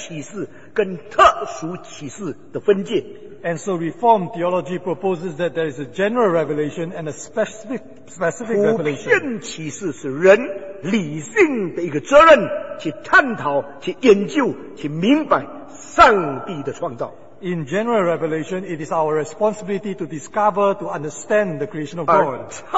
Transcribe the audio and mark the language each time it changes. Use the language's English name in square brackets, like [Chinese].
[Chinese] 归正神就把这些融合起来，产生了一个普遍启示跟特殊启示的分界。 [English] And so Reformed theology proposes that there is a general revelation and a specific revelation. [Chinese] 普遍启示是人理性的一个责任，去探讨、去研究、去明白上帝的创造。 [English] In general revelation, it is our responsibility to discover, to understand the creation of God.